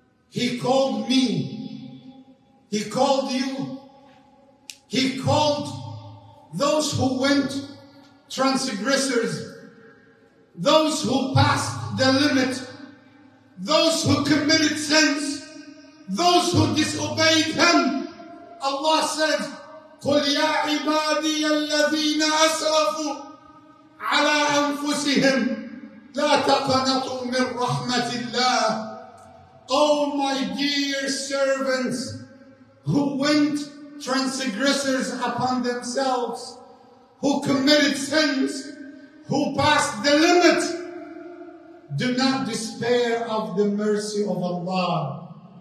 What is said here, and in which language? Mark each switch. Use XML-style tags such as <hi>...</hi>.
<en>He called me. He called you. He called those who went transgressors, those who passed the limit, those who committed sins, those who disobeyed Him. Allah said,</en> <ar>قُلْ يَا عِبَادِيَ الَّذِينَ أَسْرَفُوا عَلَىٰ أَنفُسِهِمْ لَا تَقْنَطُوا مِنْ رَحْمَةِ اللَّهِ.</ar> <en>Oh my dear servants who went transgressors upon themselves, who committed sins, who passed the limit, do not despair of the mercy of Allah.</en>